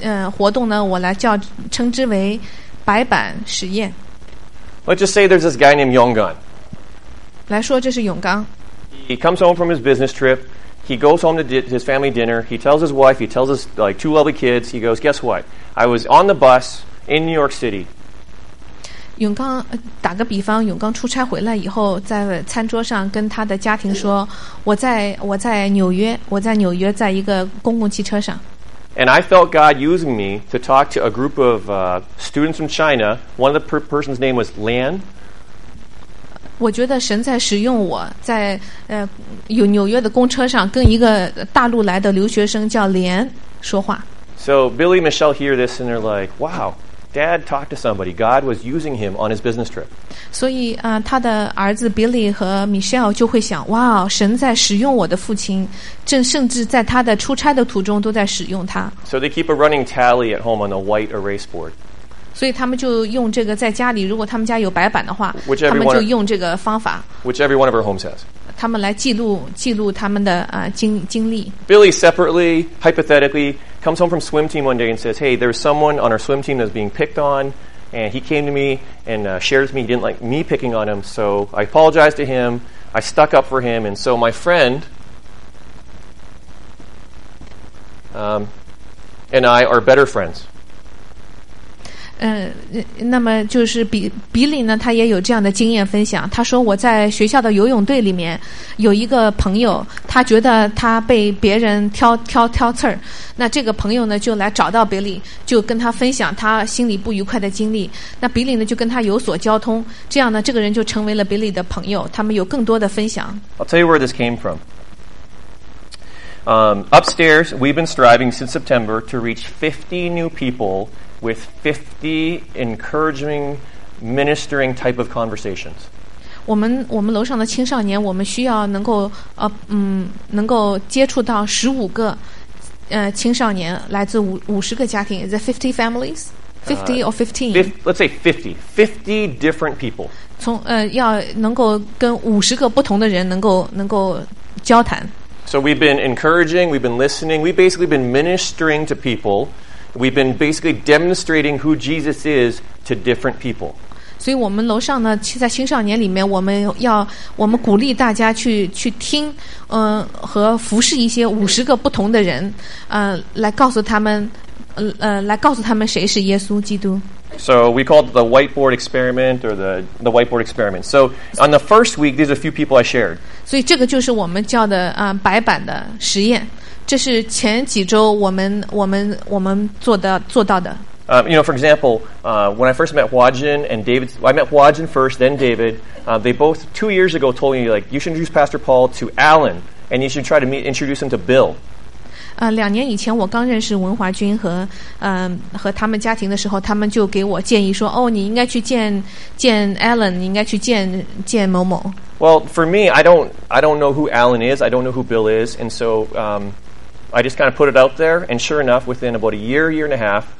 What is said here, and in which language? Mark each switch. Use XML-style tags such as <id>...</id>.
<zh>活动呢，我来叫称之为白板实验。</zh> <en>Let's just say there's this guy named Yonggang.</en> <zh>来说这是永刚。</zh> <en>He comes home from his business trip. He goes home to his family dinner. He tells his wife. He tells his like two lovely kids. He goes, guess what? I was on the bus in New York City.</en> <zh>永刚打个比方，永刚出差回来以后，在餐桌上跟他的家庭说：“我在纽约，我在纽约，在一个公共汽车上。”</zh> <en>And I felt God using me to talk to a group of students from China. One of the person's name was Lan.</en> <zh>我觉得神在使用我在有纽约的公车上跟一个大陆来的留学生叫连说话。</zh> <en>So Billy and Michelle hear this and they're like, "Wow." Dad talked to somebody. God was using him on his business trip.</en> <zh>所以他的儿子 Billy 和 Michelle 就会想，哇，神在使用我的父亲，甚至在他的出差的途中都在使用他。</zh> <en>So they keep a running tally at home on a white erase board.</en> <zh>所以他们就用这个在家里，如果他们家有白板的话，他们就用这个方法。</zh> <en>Which every one of our homes has.</en> <zh>他们来记录他们的经历。</zh> <en>Billy separately, hypothetically. Comes home from swim team one day and says, "Hey, there's someone on our swim team that's being picked on, and he came to me and shares me he didn't like me picking on him, so I apologized to him. I stuck up for him, and so my friend and I are better friends."</en> <zh>那么就是比利呢，他也有这样的经验分享。他说我在学校的游泳队里面有一个朋友，他觉得他被别人挑刺儿。那这个朋友呢，就来找到比利，就跟他分享他心里不愉快的经历。那比利呢，就跟他有所交通，这样呢，这个人就成为了比利的朋友。他们有更多的分享。</zh> <en>I'll tell you where this came from. Upstairs, we've been striving since September to reach 50 new people. With 50 encouraging, ministering type of conversations.</en> <zh>我们楼上的青少年，我们需要能够能够接触到15个青少年，来自50个家庭。</zh> <en>Is it 50 families? 50 or 15? Let's say 50. 50 different people.</en> <zh>从要能够跟50个不同的人能够交谈。</zh> <en>So we've been encouraging, we've been listening, we've basically been ministering to people. We've been basically demonstrating who Jesus is to different people.</en> <zh>所以我们楼上呢，在青少年里面，我们鼓励大家去听，和服侍一些50个不同的人，来告诉他们，来告诉他们谁是耶稣基督。</zh> <en>So we called the whiteboard experiment or the whiteboard experiment. So on the first week, there's a few people I shared.</en> <zh>所以这个就是我们叫的白板的实验，这是前几周我们做到的。</zh> <en>You know, for example, when I first met Huajin and David, well, I met Huajin first, then David. They both 2 years ago told me like you should introduce Pastor Paul to Alan and you should try to introduce him to Bill.</en> <zh>两年以前我刚认识文华君和和他们家庭的时候，他们就给我建议说，哦，你应该去见 Alan， 你应该去见某某。</zh> <en>Well, for me, I don't know who Alan is. I don't know who Bill is, and so I just kind of put it out there. And sure enough, within about a year and a half.</en>